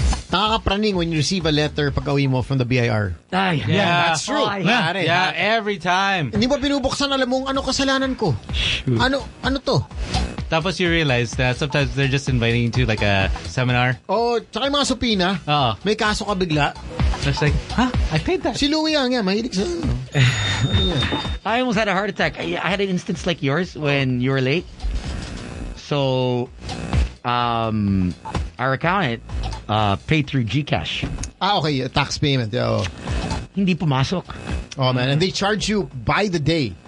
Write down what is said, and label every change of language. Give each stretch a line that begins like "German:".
Filipino: Nakakapraning
English: when you receive a letter
Filipino: pag-awi mo
English: from the BIR. That's true. Every time.
Filipino: Hindi ba binubuksan, alam mo, ano kasalanan ko?
English: Shoot.
Filipino: Ano to?
English: Tapos you realize that sometimes they're just inviting you to like a seminar.
Filipino: Oh, tsaka yung mga supina. Oo. May kaso ka bigla.
English: It's like, huh? I paid that.
Filipino: Si Louie ang yan, mahilig sa...
English: I almost had a heart attack. I had an instance like yours when you were late. So, our accountant paid through GCash. Ah, okay. Tax payment. Yo.
Filipino: Hindi pumasok.
English: Oh, man. And they charge you by the day.